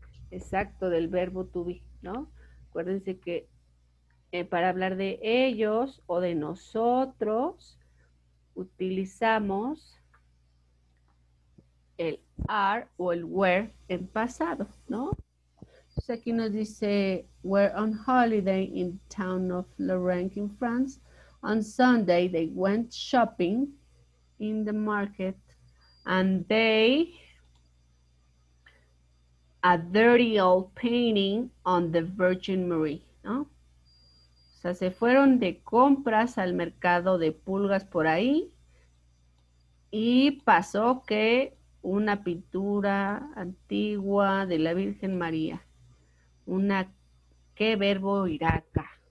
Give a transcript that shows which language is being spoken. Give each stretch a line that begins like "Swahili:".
Spanish: Exacto, del verbo to be, ¿no? Acuérdense que para hablar de ellos o de nosotros utilizamos el are o el were en pasado, ¿no? Entonces aquí nos dice,
English: were on holiday in town of Lorraine in France. On Sunday they went shopping in the market and they a dirty old painting on the Virgin Mary, ¿no?
Spanish: O sea, se fueron de compras al mercado de pulgas por ahí y pasó que una pintura antigua de la Virgen María. Una, ¿qué verbo irá acá?